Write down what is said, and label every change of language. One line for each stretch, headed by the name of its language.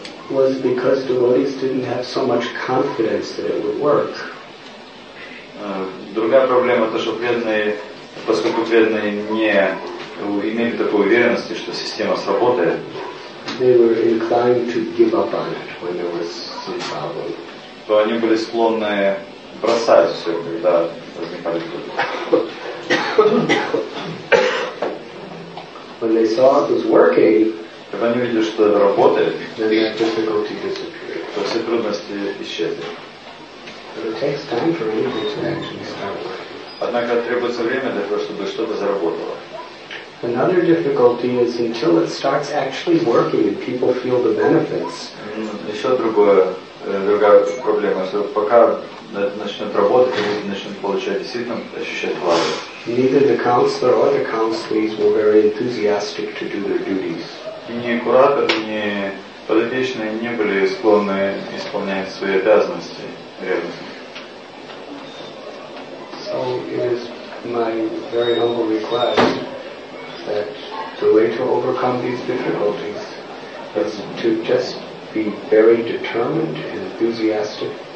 English: Was because devotees didn't have so much confidence that it would work.
Russian: Другая проблема то, что преданные, поскольку преданные не имели такой уверенности, что система сработает.
English: They were inclined to give up on it when there was some problem.
Russian: То они были склонны бросать все, когда возникали трудности.
English: When they saw it was working,
Russian: когда они видели, что это работает,
English: then that difficulty disappeared.
Russian: То все трудности исчезли.
English: But it takes time for anything to actually start.
Russian: Однако требуется время для того, чтобы что-то заработало.
English: Another difficulty is until it starts actually working and people feel the benefits.
Russian: Еще другая проблема, что пока начнет работать, они начнут получать действительно ощущать плату.
English: Neither the counselor or the counselees were very enthusiastic to do their duties.
Russian: Ни куратор, ни подопечные не были склонны исполнять свои обязанности ревностно.
English: So it is my very humble request that the way to overcome these difficulties is to just be very determined and enthusiastic.